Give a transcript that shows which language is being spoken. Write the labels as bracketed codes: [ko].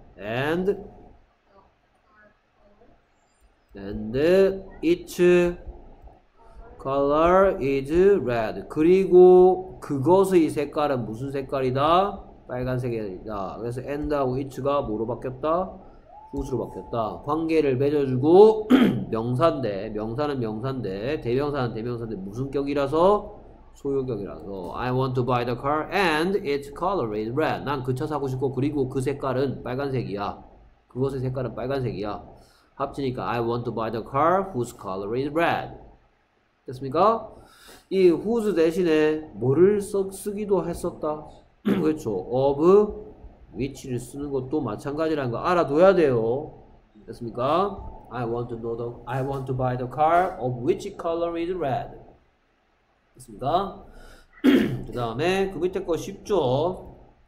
[en] And and its color is red. [ko] 그리고 그것의 색깔은 무슨 색깔이다? 빨간색이다. 그래서 and하고 it가 뭐로 바뀌었다? whose로 바뀌었다. 관계를 맺어주고 명사인데 명사는 명사인데 대명사는 대명사인데 무슨 격이라서? 소유격이라서 [en] I want to buy the car and its color is red. [ko] 난 그 차 사고 싶고 그리고 그 색깔은 빨간색이야. 그것의 색깔은 빨간색이야. 합치니까 [en] I want to buy the car whose color is red. [ko] 됐습니까? 이 whose 대신에 뭐를 쓰기도 했었다. 그렇죠. of which를 쓰는 것도 마찬가지라는 거 알아둬야 돼요. 됐습니까? [en] I want to know the I want to buy the car of which color is red. [ko] 됐습니까? 그다음에 그 밑에 거 쉽죠.